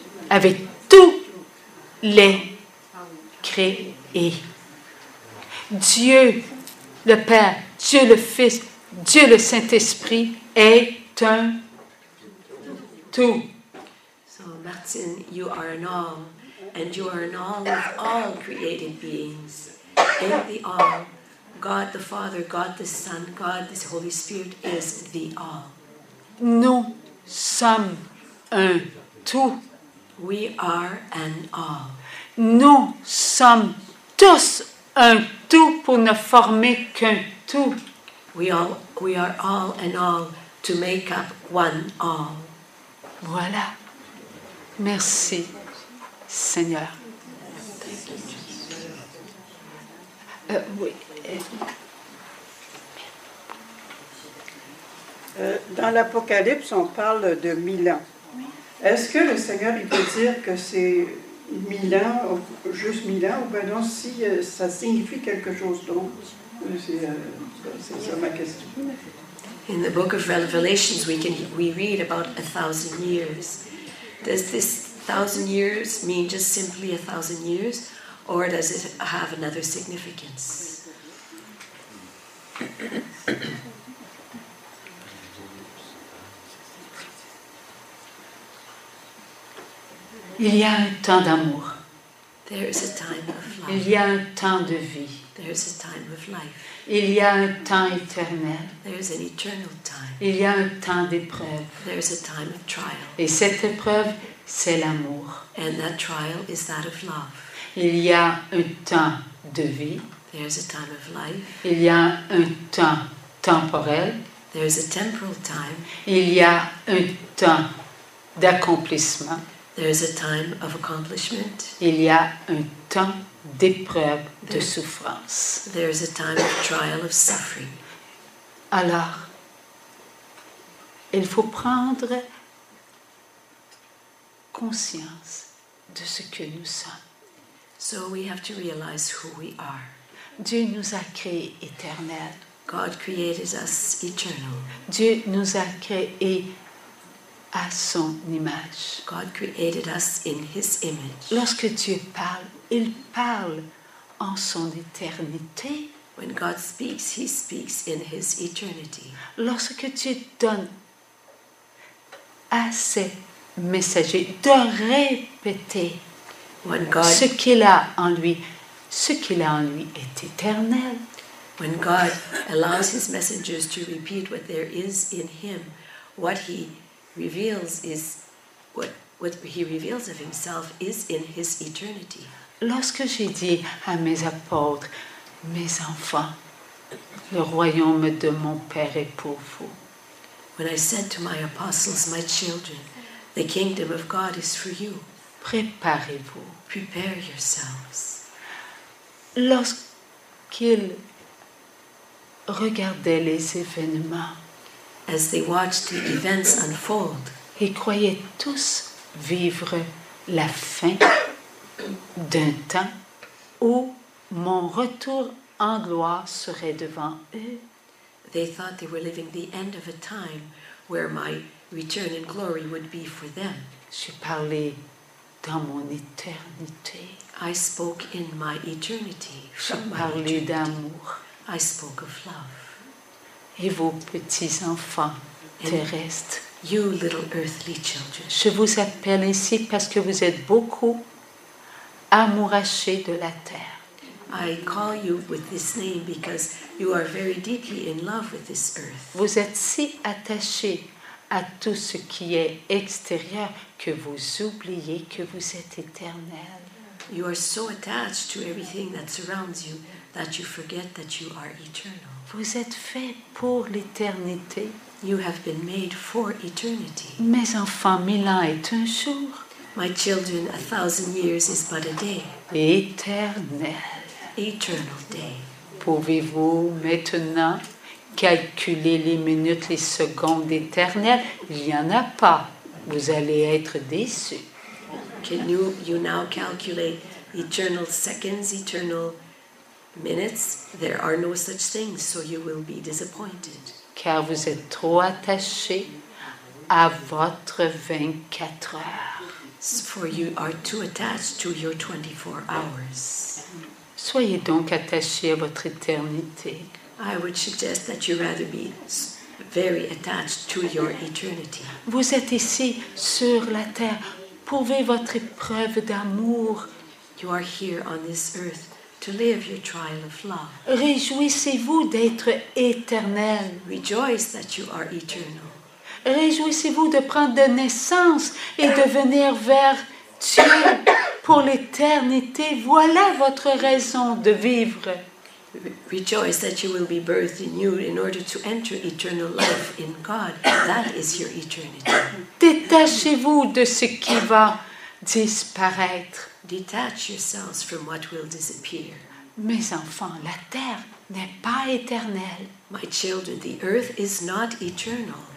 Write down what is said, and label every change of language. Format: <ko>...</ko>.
<fr>Avec tous les créés. Dieu le Père, Dieu le Fils, Dieu le Saint-Esprit est un tout.</fr> <en>So, Martin, you are an all. And you are in all of all created beings. In the all, God the Father, God the Son, God the Holy Spirit is the all.</en> <fr>Nous sommes un tout.</fr> <en>We are an all.</en> <fr>Nous sommes tous un tout pour ne former qu'un tout.</fr> <en>We are all an all to make up one all.</en> <fr>Voilà. Merci. Seigneur. Dans l'Apocalypse, on parle de 1000 ans. Est-ce que le Seigneur il peut dire que c'est 1000 ans, juste 1000 ans, ou bien non, si ça signifie quelque chose d'autre? C'est ça ma question.</fr> <en>In the book of Revelations, we read about 1,000 years. Does this 1,000 years mean just simply 1,000 years, or does it have another significance?</en> <fr>Il y a un temps d'amour.</fr> <en>There is a time of life.</en> <fr>Il y a un temps de vie.</fr> <en>There is a time of life.</en> <fr>Il y a un temps éternel.</fr> <en>There is an eternal time.</en> <fr>Il y a un temps d'épreuve.</fr> <en>There is a time of trial.</en> <fr>Et cette épreuve, c'est l'amour.</fr> <en>And that trial is that of love.</en> <fr>Il y a un temps de vie.</fr> <en>There is a time of life.</en> <fr>Il y a un temps temporel.</fr> <en>There is a temporal time.</en> <fr>Il y a un temps d'accomplissement.</fr> <en>There is a time of accomplishment.</en> <fr>Il y a un temps d'épreuve, de souffrance.</fr> <en>There is a time of trial, of suffering.</en> <fr>Alors, il faut prendre conscience de ce que nous sommes.</fr> <en>So we have to realize who we are.</en> <fr>Dieu nous a créés éternels.</fr> <en>God created us eternal.</en> <fr>Dieu nous a créés à son image.</fr> <en>God created us in his image.</en> <fr>Lorsque Dieu parle, il parle en son éternité.</fr> <en>When God speaks, he speaks in his eternity.</en> <fr>Lorsque Dieu donne à ses messager de répéter</fr> <en>when God,</en> <fr>ce qu'il a en lui, ce qu'il a en lui est éternel.</fr> <en>When God allows his messengers to repeat what there is in him, what he reveals is what he reveals of himself is in his eternity.</en> <fr>Lorsque j'ai dit à mes apôtres, mes enfants, le royaume de mon Père est pour vous.</fr> <en>When I said to my apostles, my children, the kingdom of God is for you.</en> <fr>Préparez-vous.</fr> <en>Prepare yourselves.</en> <fr>Lorsqu'ils regardaient les événements,</fr> <en>as they watched the events unfold,</en> <fr>ils croyaient tous vivre la fin d'un temps où mon retour en gloire serait devant eux.</fr> <en>They thought they were living the end of a time where my return in glory would be for them.</en> <fr>J'ai parlé dans mon éternité.</fr> <en>I spoke in my eternity.</en> <fr>J'ai parlé d'amour.</fr> <en>I spoke of love.</en> <fr>Et vos petits enfants terrestres.</fr> <en>You little earthly children.</en> <fr>Je vous appelle ainsi parce que vous êtes beaucoup amourachés de la terre.</fr> <en>I call you with this name because you are very deeply in love with this earth.</en> <fr>Vous êtes si attachés à tout ce qui est extérieur que vous oubliez que vous êtes éternel.</fr> <en>You are so attached to everything that surrounds you that you forget that you are eternal.</en> <fr>Vous êtes fait pour l'éternité.</fr> <en>You have been made for eternity.</en> <fr>Mes enfants, 1000 ans est un jour.</fr> <en>My children, 1,000 years is but a day.</en> <fr>Éternel.</fr> <en>Eternal day.</en> <fr>Pouvez-vous maintenant calculer les minutes, les secondes éternelles? Il n'y en a pas. Vous allez être déçus.</fr> <en>Can you now calculate eternal seconds, eternal minutes? There are no such things, so you will be disappointed.</en> <fr>Car vous êtes trop attaché à votre 24 heures.</fr> <en>For you are too attached to your 24 hours.</en> <fr>Soyez donc attaché à votre éternité.</fr> <en>I would suggest that you rather be very attached to your eternity.</en> <fr>Vous êtes ici sur la terre pour vivre votre épreuve d'amour.</fr> <en>You are here on this earth to live your trial of love.</en> <fr>Réjouissez-vous d'être éternel.</fr> <en>Rejoice that you are eternal.</en> <fr>Réjouissez-vous de prendre de naissance et de venir vers Dieu pour l'éternité. Voilà votre raison de vivre.</fr> <en>Rejoice that you will be birthed anew in order to enter eternal life in God. That is your eternity.</en> <fr>Détachez-vous de ce qui va disparaître.</fr> <en>Detach yourselves from what will disappear.</en> <fr>Mes enfants, la terre n'est pas éternelle.</fr> <en>My children, the earth is not eternal.</en>